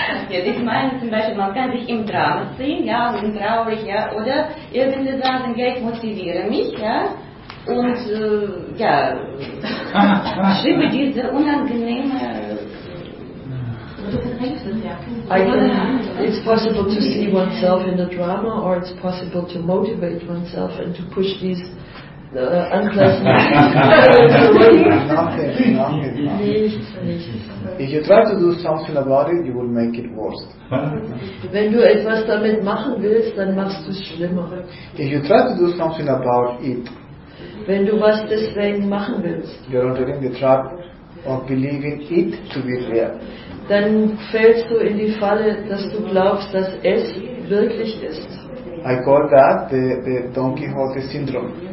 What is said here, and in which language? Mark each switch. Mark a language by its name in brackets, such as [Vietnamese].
[German] Ich meine zum Beispiel, man kann sich im Drama sehen, ja, und traurig, ja, oder irgendwie sagen, ja, ich motiviere mich, ja, und ja, schiebe diese unangenehme. [English] It's possible to see oneself in the drama, or it's possible to motivate oneself and to push these. If you try to do something about it, you will make it worse. [German] Wenn du etwas damit machen willst, dann machst du es schlimmer. [English] If you try to do something about it, [German] wenn du was deswegen machen willst, [English] you're already in the trap of believing it to be real. [German] Dann fällst du in die Falle, dass du glaubst, dass es wirklich ist. [English] I call that the Don Quixote syndrome.